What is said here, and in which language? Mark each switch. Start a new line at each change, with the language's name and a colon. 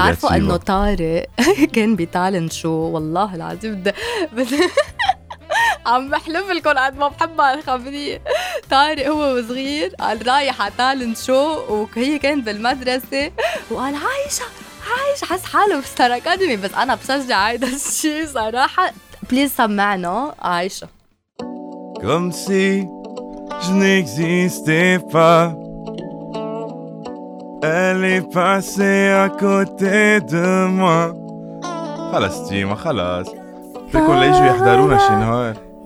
Arabic: تعرفوا أنه طارق كان بتالنت شو؟ والله العظيم عم بحلف لكم قد ما بحبها الخبرية. طارق هو وصغير قال رايح على تالنت شو، وهي كانت بالمدرسة وقال عايشة حس حاله في ستار أكاديمي. بس أنا بشجع هيدا الشيء صراحة. بليز سمعنا عايشة.
French: كم سي je n'existais pas elle est passée à côté de moi.
Arabic: خلاص تيما خلاص، تقول ليش يحضرونا شي نهار